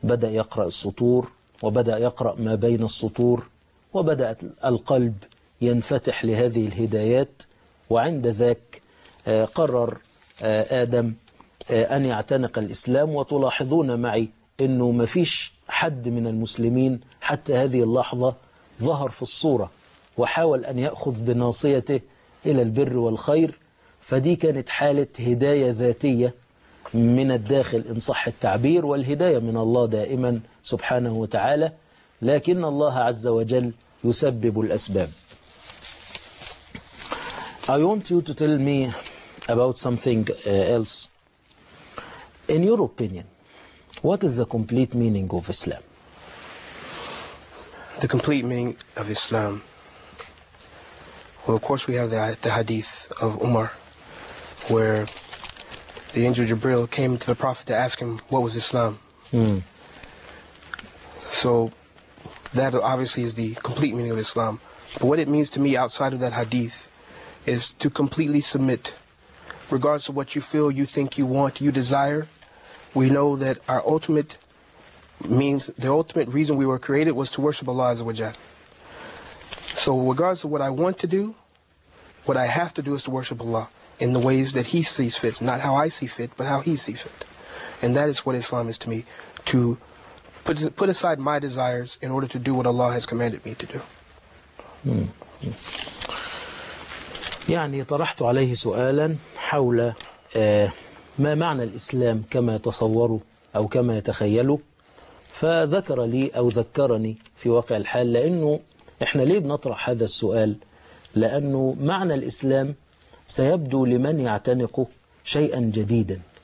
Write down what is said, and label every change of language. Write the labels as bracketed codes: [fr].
[ar] يقرأ السطور وبدأ يقرأ ما بين السطور وبدأ القلب ينفتح لهذه الهدايات وعند ذاك قرر آدم أن يعتنق الإسلام وتلاحظون معي أنه ما فيش حد من المسلمين حتى هذه اللحظة ظهر في الصورة وحاول أن يأخذ بناصيته إلى البر والخير فدي كانت حالة هداية ذاتية من الداخل إن صح التعبير والهداية من الله دائما سبحانه وتعالى لكن الله عز وجل يسبب الأسباب. [en] I want you to tell me about something else. In your opinion, what is the complete meaning of Islam? The complete meaning of Islam. Well, of course we have the hadith of Umar where the angel Jibril came to the Prophet to ask him what was Islam. So that obviously is the complete meaning of Islam. But what it means to me outside of that hadith is to completely submit, regardless of what you feel, you think, you want, you desire. We know that our ultimate means, the ultimate reason we were created was to worship Allah Azza wa Jal. So regardless of what I want to do, what I have to do is to worship Allah in the ways that He sees fit, not how I see fit, but how He sees fit. And that is what Islam is to me, to put aside my desires in order to do what Allah has commanded me to do. [ar] يعني طرحت عليه سؤالا حول ما معنى الإسلام كما يتصوره أو كما يتخيله، فذكر لي أو ذكرني في واقع الحال. لأنه إحنا ليه بنطرح هذا السؤال؟ لأنه معنى الإسلام سيبدو لمن يعتنقه شيئا جديدا.